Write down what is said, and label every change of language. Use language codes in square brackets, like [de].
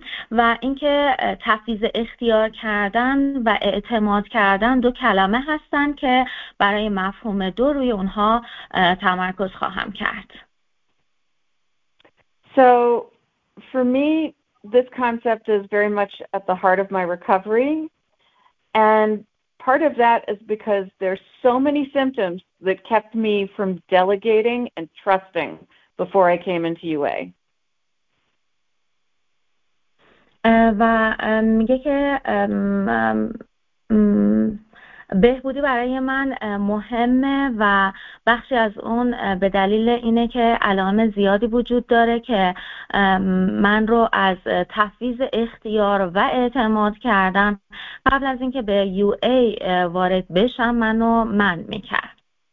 [fa] و اینکه تفویض اختیار کردن و اعتماد کردن دو کلمه هستن که برای مفهوم دو روی اونها تمرکز خواهم کرد. [en] So for me this concept is very much at the heart of my recovery, and part of that is because there's so many symptoms that kept me from delegating and trusting before I came into UA. [fa] و میگه که بهبودی برای من مهمه و بخشی از اون به دلیل اینه که علائم زیادی وجود داره که من رو از تفویض اختیار و اعتماد کردن قبل از اینکه به UA وارد بشم منو من میکرد.